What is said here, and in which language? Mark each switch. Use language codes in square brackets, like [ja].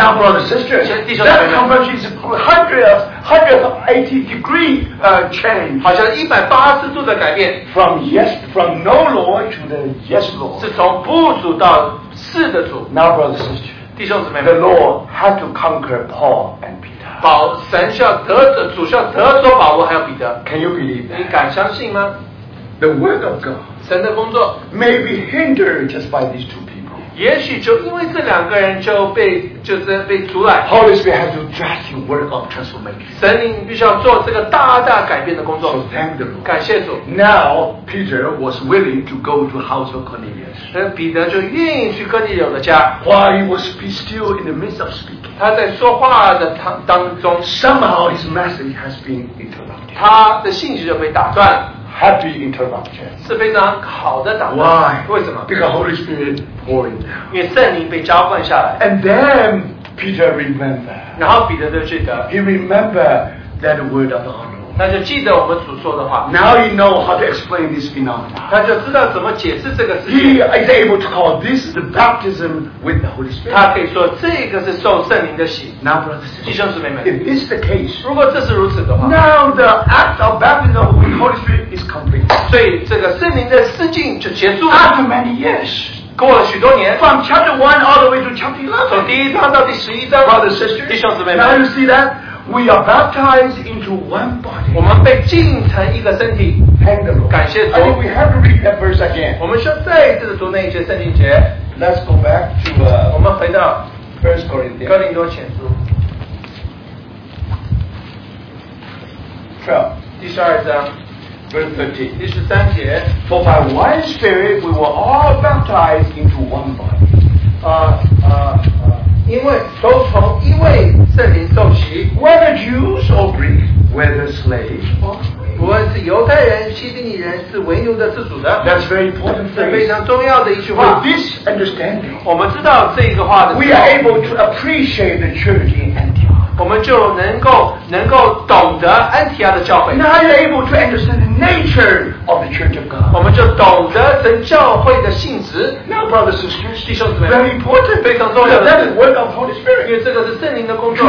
[en] Now, brothers and sisters, that conversion is hundred of eighty degree change. [zh] 好像180度的改变。 [en] From yes, from no Lord to the yes Lord. [zh] 是从不主到是的主。 [en] Now, brothers and sisters, [zh] 弟兄姊妹们, [en] the Lord had to conquer Paul and Peter. [zh] 神需要得着主，需要得着保罗还有彼得。 [en] Can you believe that? [zh] 你敢相信吗？ [en] The word of God [zh] 神的工作 [en] may be hindered just by these two people. [zh] 也许就因为这两个人就被阻碍。 [en] Holy Spirit has to drastic work of transformation. [zh] 神灵必须要做这个大大改变的工作。 [en] So thank the Lord. [zh] 感谢主。 [en] Now Peter was willing to go to house of Cornelius. [zh] 彼得就愿意去哥尼流的家。 [en] While he was still in the midst of speaking. [zh] 他在说话的当中, [en] somehow his message has been interrupted. [zh] 他的信息就被打断, [en] happy interruption. [zh] 是非常好的打断, [en] why? [zh] 为什么? [en] Because Holy Spirit pouring down. [zh] 因为圣灵被浇灌下来, [en] and then Peter remembered. [zh] 然后彼得就记得, [en] he remembered that word of the Lord. [zh] 那就记得我们所说的话, [en] now he know how to explain this phenomenon. [zh] 他就知道怎么解释这个事情。 [en] He is able to call this the baptism with the Holy Spirit. [zh] 他可以说这个是受圣灵的洗。 [en] Now, brothers and sisters, [zh] 弟兄姊妹们, [en] if this is the case, [zh] 如果这是如此的话, [en] now the act of baptism with the Holy Spirit is complete. [zh] 所以这个圣灵的施浸就结束了。 [en] After many years, [zh] 过了许多年, [en] from chapter 1 all the way to chapter 11, [zh] 从第一章到第十一章, [en] brothers and sisters, [zh] 弟兄姊妹们, [en] now you see that? We are baptized into one body. [zh] 我们被浸成一个身体。 [en] Thank the Lord. [zh] 感谢主。 [en] I think we have to read that verse again. [zh] 我们需要再次读那一节圣经节。 [en] Let's go back to [zh] 我们回到 [en] First Corinthians. [zh] 哥林多前书。 [en] 12. [zh] 第十二章。 [en] Verse 13. [zh] 第十三节。 [en] For by one spirit we were all baptized into one body. [zh] 因为都从一位圣灵受洗, [en] whether Jews or Greek, whether slaves or free, [zh] 不论是犹太人、希利尼人，是为奴的、是主的。 [en] That's very important. [zh] 是非常重要的一句话。 [en] With this understanding, [zh] 我们知道这一个话的, [en] we are able to appreciate the church in Antioch. [zh] 我们就能够懂得安提亚的教会。 [en] Now you're able to understand the nature of the church of God. [zh] 我们就懂得神教会的性质。 [en] Now, brothers and sisters, [zh] 弟兄姊妹, [en] very important. [zh] 非常重要的是, [en] that is the work of Holy Spirit. [zh] 因为这个是圣灵的工作,